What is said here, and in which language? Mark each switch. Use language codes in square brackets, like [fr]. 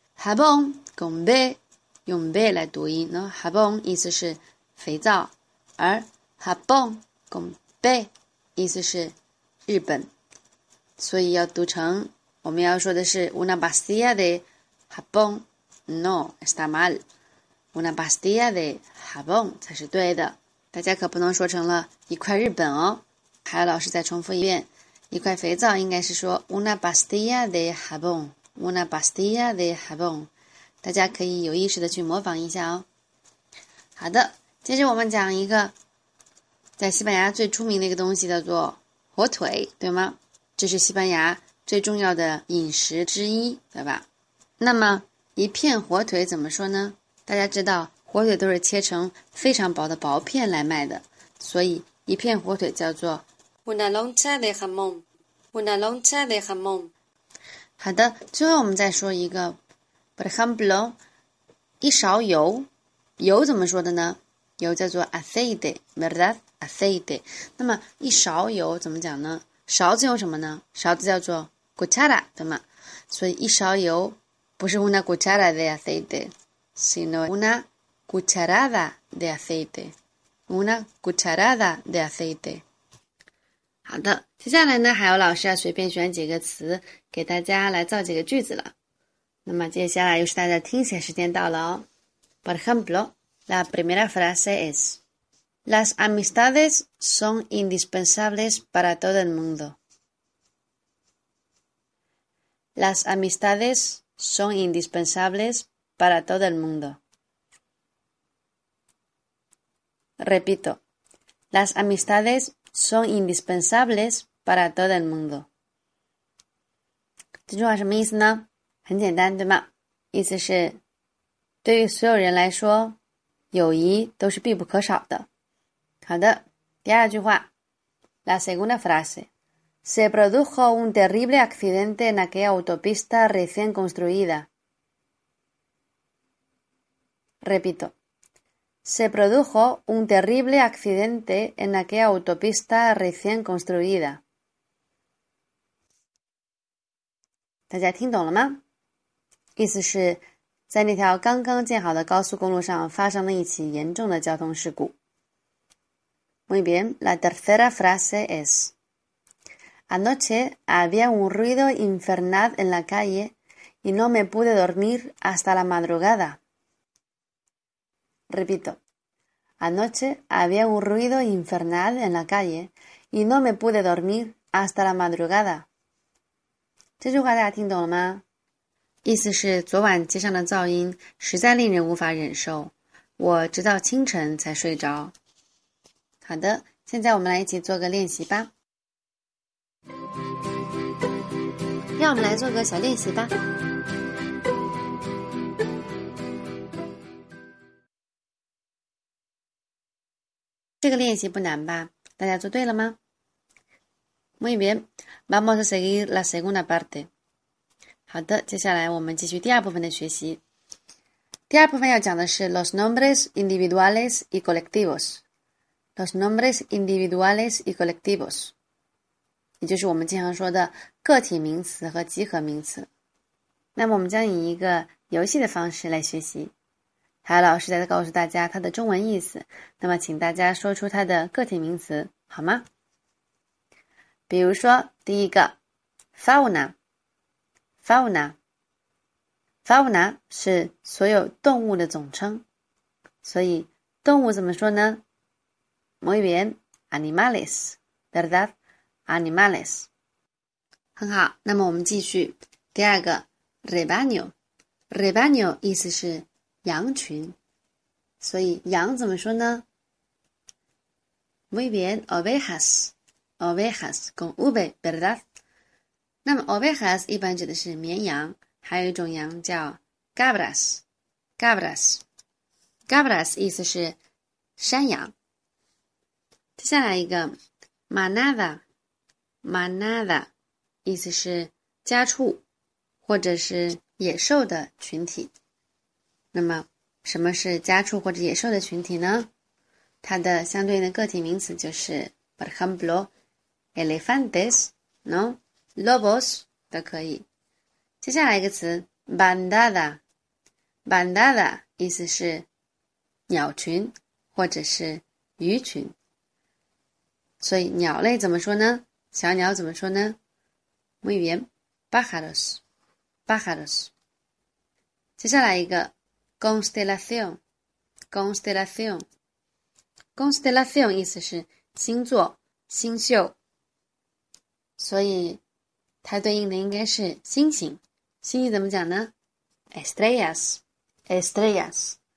[zh] habon 用 be 用 be 来读音，那 habon 意思是肥皂，而 habon 用 be 意思是日本，所以要读成我们要说的是 [es] una pastilla de habon。 No está mal, una pastilla de habon [zh] 才是对的。大家可不能说成了一块日本哦。海老师再重复一遍。一块肥皂应该是说 [es] una pastilla de jabón, una pastilla de jabón。 [zh] 大家可以有意识的去模仿一下哦。好的，接着我们讲一个在西班牙最出名的一个东西，叫做火腿，对吗？这是西班牙最重要的饮食之一，对吧？那么一片火腿怎么说呢？大家知道火腿都是切成非常薄的薄片来卖的，所以一片火腿叫做。 [es] Una loncha de jamón. Una loncha de jamón. [zh] 好的，最后我们再说一个， [es] por ejemplo， [zh] 一勺油，油怎么说的呢？油叫做 aceite， [es] verdad? [zh] aceite。 那么一勺油怎么讲呢？勺子用什么呢？勺子叫做 cuchara，对吗？所以一勺油不是 [es] una cuchara de aceite，sino una cucharada de aceite，una cucharada de aceite。 [zh] 好的，接下来呢，海鸥老师要随便选几个词给大家来造几个句子了。那么接下来又是大家听写时间到了哦。 [es] Por ejemplo, la primera frase es: Las amistades son indispensables para todo el mundo. Las amistades son indispensables para todo el mundo. Repito, las amistades son indispensables para todo el mundo。 [zh] 这句话什么意思呢？很简单，对吗？意思是，对于所有人来说，友谊都是必不可少的。好的，第二句话， [es] La segunda frase: Se produjo un terrible accidente en aquella autopista recién construida. Repito. Se produjo un terrible accidente en aquella autopista recién construida. [zh] 大家听懂了吗？意思是，在那条刚刚建好的高速公路上发生了一起严重的交通事故。 [es] Muy bien, la tercera frase es: Anoche había un ruido infernal en la calle y no me pude dormir hasta la madrugada. Repito. Anoche había un ruido infernal en la calle y no me pude dormir hasta la madrugada。 [zh] 这句话大家听懂了吗？意思是昨晚街上的噪音实在令人无法忍受，我直到清晨才睡着。好的，现在我们来一起做个练习吧。让我们来做个小练习吧。这个练习不难吧？大家做对了吗？ [es] Muy bien, vamos a seguir la segunda parte。 [zh] 好的，接下来我们继续第二部分的学习。第二部分要讲的是 [es] los nombres individuales y colectivos。 los nombres individuales y colectivos， [zh] 也就是我们经常说的个体名词和集合名词。那么我们将以一个游戏的方式来学习。还有老师在告诉大家它的中文意思，那么请大家说出它的个体名词好吗？比如说第一个，fauna 是所有动物的总称，所以动物怎么说呢？ [es] Muy bien，animales，verdad，animales。 [zh] 很好，那么我们继续第二个，rebaño 意思是羊群。所以羊怎么说呢？ [es] Muy bien, ovejas, ovejas con V, ¿verdad? [zh] 那么 ovejas 一般指的是绵羊，还有一种羊叫 cabras。 cabras 意思是山羊。接下来一个 manada 意思是家畜，或者是野兽的群体。那么什么是家畜或者野兽的群体呢？它的相对应的个体名词就是 [es] por ejemplo elefantes, ¿no? [zh] lobos 都可以。接下来一个词 bandada 意思是鸟群或者是鱼群。所以鸟类怎么说呢？小鸟怎么说呢？ [es] Muy bien, pájaros, pájaros。 [zh] 接下来一个 constelación 意思是星座、星宿，所以它对应的应该是星星。星星怎么讲呢？ [es] Estrellas, estrellas。